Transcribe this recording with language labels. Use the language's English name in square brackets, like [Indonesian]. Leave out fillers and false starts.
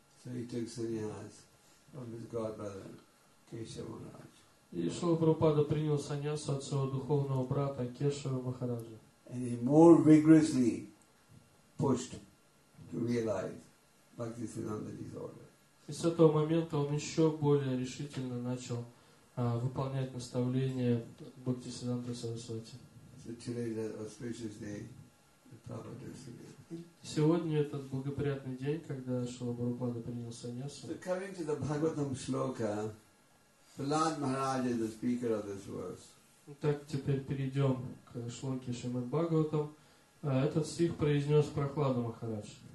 [Russian] И Шрила Прабхупада принял саньясу от своего духовного брата Кешава Махараджа. [English] And he more vigorously pushed to realize Bhaktisiddhanta's order. [Russian] И с этого момента он еще более решительно начал выполнять наставления Бхактисиддханты Сарасвати. [English] So today is an auspicious day, the Prabhupada Sanyasa. [Russian] Сегодня этот благоприятный день, когда Шрила Прабхупада принял саньясу. [English] So coming to the Bhagavatam Shloka, Prahlad Maharaj is the speaker of this verse. [Russian] Итак, теперь перейдем к шлоке Шримад Бхагаватам. Этот стих произнес Прахлада Махарадж.